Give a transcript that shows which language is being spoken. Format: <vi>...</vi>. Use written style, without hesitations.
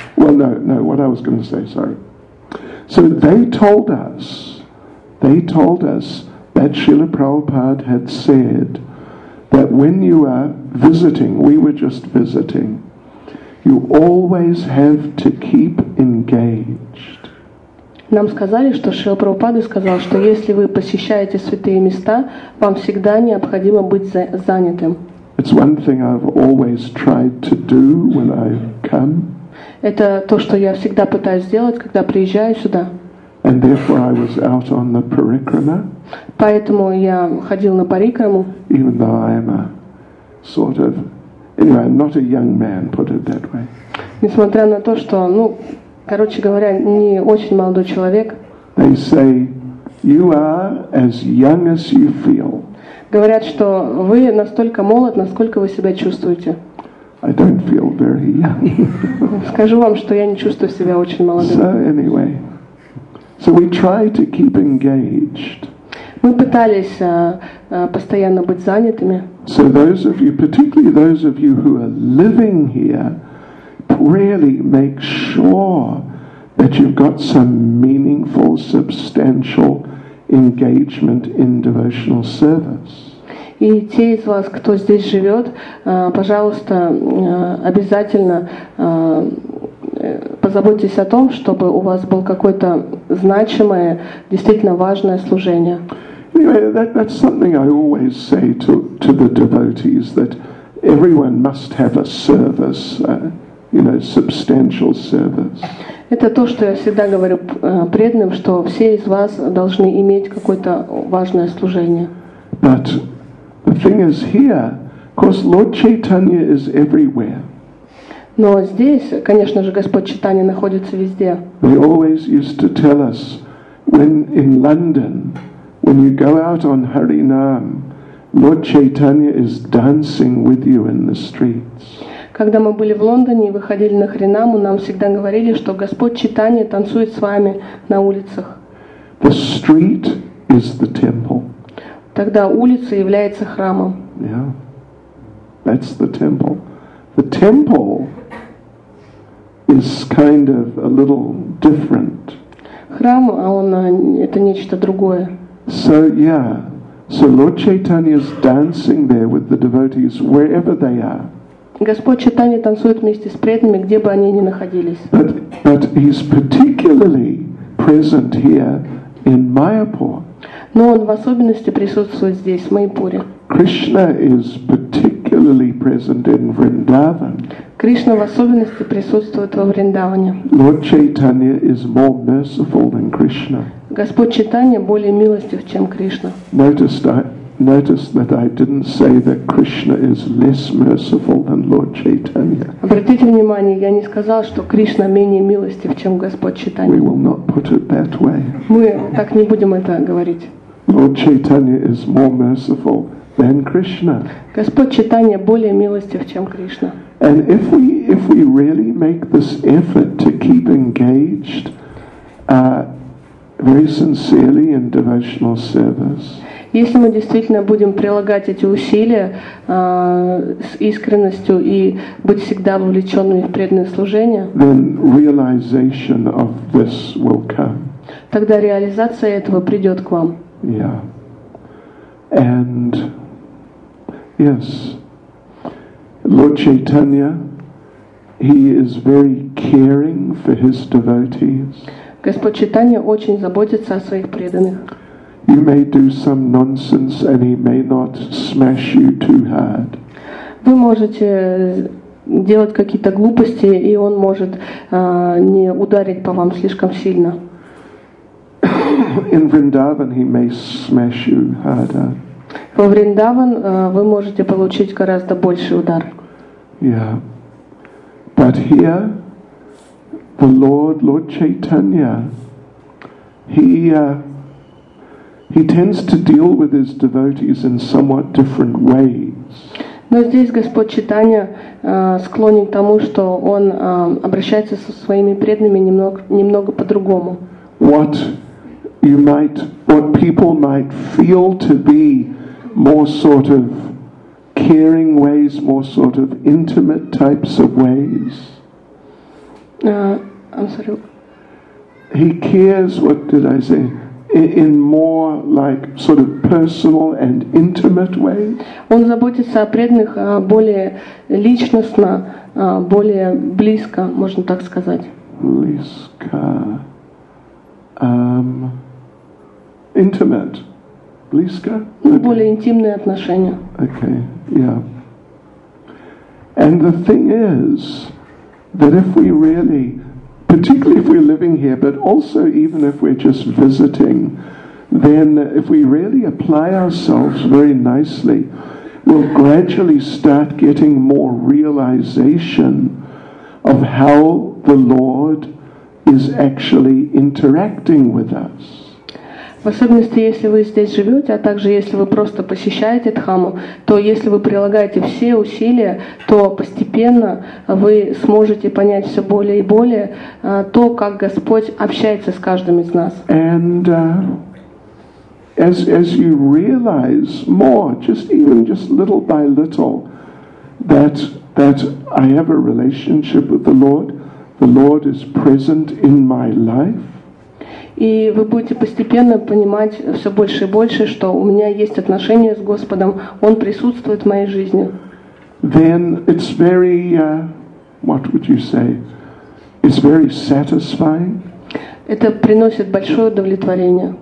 <en>Well, no, what I was going to say, sorry. So they told us that Srila Prabhupada had said that when you are visiting, we were just visiting, you always have to keep engaged.</en> <ru>Нам сказали, что Шрила Прабхупада сказал, что если вы посещаете святые места, вам всегда необходимо быть занятым.</ru> <en>It's one thing I've always tried to do when I come.</en> <ru>Это то, что я всегда пытаюсь сделать, когда приезжаю сюда.</ru> <en>And therefore I was out on the parikrama.</en> <ru>Поэтому я ходил на парикраму.</ru> <en>Even though I am a sort of, anyway, I'm not a young man, put it that way.</en> <ru>Несмотря на то, что, ну, короче говоря, не очень молодой человек.</ru> <en>They say you are as young as you feel.</en> <ru>Говорят, что вы настолько молод, насколько вы себя чувствуете.</ru> <en>I don't feel very young.</en> <ru>Скажу вам, что я не чувствую себя очень молодым.</ru> <en>So anyway, so we try to keep engaged.</en> <ru>Мы пытались постоянно быть занятыми.</ru> <en>So those of you, particularly those of you who are living here, really make sure that you've got some meaningful, substantial engagement in devotional service.</en> <ru>И те из вас, кто здесь живет, пожалуйста, обязательно позаботьтесь о том, чтобы у вас было какое-то значимое, действительно важное служение.</ru> <en>Anyway, that's something I always say to the devotees, that everyone must have a service, you know, substantial service.</en> <ru>Это то, что я всегда говорю преданным, что все из вас должны иметь какое-то важное служение.</ru> <en>But the thing is here, of course, Lord Chaitanya is everywhere.</en> <ru>Но здесь, конечно же, Господь Чайтанья находится везде.</ru> <en>They always used to tell us when in London, when you go out on Harinam, Lord Chaitanya is dancing with you in the streets.</en> <ru>Когда мы были в Лондоне и выходили на Харинаму, нам всегда говорили, что Господь Чайтанья танцует с вами на улицах.</ru> <en>The street is the temple.</en> <ru>Тогда улица является храмом.</ru> <en>Yeah, that's the temple. The temple is kind of a little different.</en> <ru>Храм, а он это нечто другое.</ru> <en>So yeah, so Lord Chaitanya is dancing there with the devotees wherever they are.</en> <ru>Господь Чайтанья танцует вместе с преданными, где бы они ни находились.</ru> <en>But he's particularly present here in Mayapur.</en> <ru>Но он в особенности присутствует здесь, в Майпуре.</ru> <en>Krishna is particularly present in Vrindavan.</en> <ru>Кришна в особенности присутствует во Вриндаване.</ru> <en>Lord Chaitanya is more merciful than Krishna.</en> <ru>Господь Чайтанья более милостив, чем Кришна.</ru> <en>Notice that I didn't say that Krishna is less merciful than Lord Chaitanya.</en> <ru>Обратите внимание, я не сказал, что Кришна менее милостив, чем Господь Чайтанья.</ru> <en>We will not put it that way.</en> <ru>Мы так не будем это говорить.</ru> <en>Lord Chaitanya is more merciful than Krishna.</en> <ru>Господь Чайтанья более милостив, чем Кришна.</ru> <en>And if we really make this effort to keep engaged very sincerely in devotional service.</en> <ru>Если мы действительно будем прилагать эти усилия с искренностью и быть всегда вовлеченными в преданное служение,</ru> <en>then realization of this will come.</en> <ru>Тогда реализация этого придет к вам.</ru> <en>Yeah. And yes, Lord Chaitanya, he is very caring for his devotees.</en> <ru>Господь Чайтанья очень заботится о своих преданных.</ru> <en>You may do some nonsense and he may not smash you too hard.</en> <ru>Вы можете делать какие-то глупости, и он может не ударить по вам слишком сильно.</ru> <en>In Vrindavan he may smash you harder.</en> <ru>Во Вриндаван вы можете получить гораздо больший удар.</ru> <en>Yeah. But here the Lord Chaitanya, he tends to deal with his devotees in somewhat different ways.</en> <ru>Но здесь Господь Читания склонен к тому, что Он обращается со своими преданными немного по-другому.</ru> <en>What people might feel to be more sort of caring ways, more sort of intimate types of ways. I'm sorry. He cares, what did I say? In more like sort of personal and intimate ways.</en> <ru>Он заботится о преданных более личностно, более близко, можно так сказать. Близко.</ru> <en>Intimate.</en> <ru>Близко.</ru> <en>Okay.</en> <ru>Более интимные отношения.</ru> <en>Okay. Yeah. And the thing is that if we really, particularly if we're living here, but also even if we're just visiting, then if we really apply ourselves very nicely, we'll gradually start getting more realization of how the Lord is actually interacting with us.</en> <ru>В особенности, если вы здесь живете, а также если вы просто посещаете Дхаму, то если вы прилагаете все усилия, то постепенно вы сможете понять все более и более то, как Господь общается с каждым из нас.</ru> <en>And as you realize more, just little by little, that I have a relationship with the Lord is present in my life.</en> <ru>И вы будете постепенно понимать все больше и больше, что у меня есть отношения с Господом, Он присутствует в моей жизни.</ru> <en>Then it's very, what would you say? It's very satisfying.</en> <ru>Это приносит большое удовлетворение.</ru>